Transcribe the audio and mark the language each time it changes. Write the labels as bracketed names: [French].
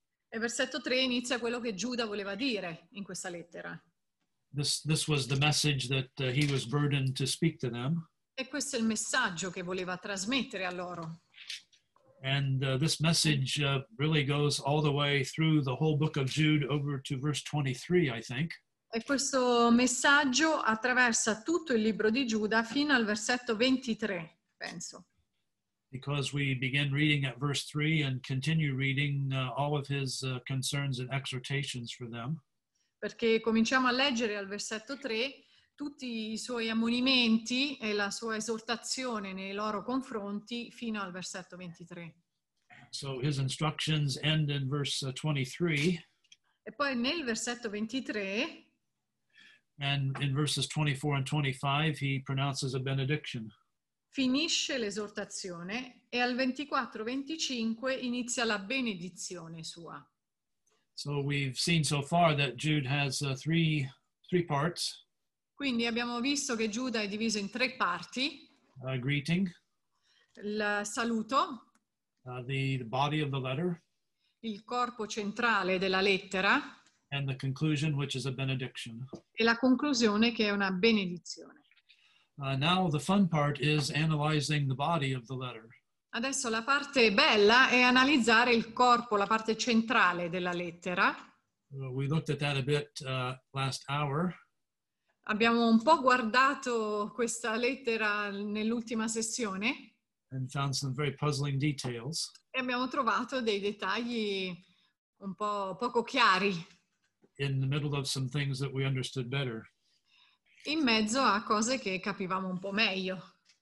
[Italian] E versetto 3 inizia quello che Giuda voleva dire in questa lettera. [English] This was the message that he was burdened to speak to them. [Italian] E questo è il messaggio che voleva trasmettere a loro. [English] And this message really goes all the way through the whole book of Jude over to verse 23, I think. [Italian] E questo messaggio attraversa tutto il libro di Giuda fino al versetto 23, penso. [English] Because we begin reading at verse 3 and continue reading all of his concerns and exhortations for them. [Italian] Perché cominciamo a leggere al versetto 3 tutti i suoi ammonimenti e la sua esortazione nei loro confronti fino al versetto 23. [English] So his instructions end in verse 23. [Italian] E poi nel versetto 23 [English] And in verses 24 and 25 he pronounces a benediction. [Italian] Finisce l'esortazione e al 24-25 inizia la benedizione sua. [English] So we've seen so far that Jude has three parts. [Italian] Quindi abbiamo visto che Giuda è diviso in tre parti. [English] A greeting. [Italian] Il saluto. [English] The body of the letter. [Italian] Il corpo centrale della lettera. [English] And the conclusion, which is a benediction. [Italian] E la conclusione che è una benedizione. [English] Now the fun part is analyzing the body of the letter. [Italian] Adesso la parte bella è analizzare il corpo, la parte centrale della lettera. [English] We looked at that a bit last hour. [Italian] Abbiamo un po' guardato questa lettera nell'ultima sessione. [English] And found some very puzzling details. [Italian] E abbiamo trovato dei dettagli un po' poco chiari. [English] In the middle of some things that we understood better. [Italian] In mezzo a cose che capivamo un po' meglio.